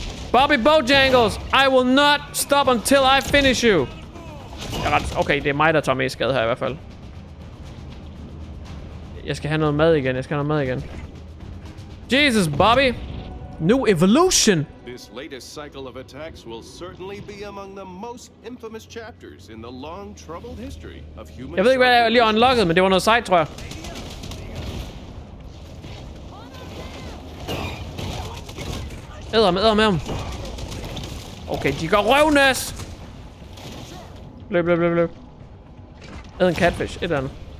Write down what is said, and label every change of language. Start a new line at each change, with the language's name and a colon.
English: Bobby Bojangles, I will not stop until I finish you.
Danish: Okay, det er mig, der tager mest skade her i hvert fald. Jeg skal have noget mad igen.
English: Jesus, Bobby. New evolution. This latest cycle of attacks will certainly be among the most infamous chapters in the long troubled history of human.
Danish: Jeg ved ikke, hvad jeg lige unlockede, men det var noget sejt, tror jeg. Æder med ham. Okay, de går røvnæs. Løb. Æd en catfish, et eller andet.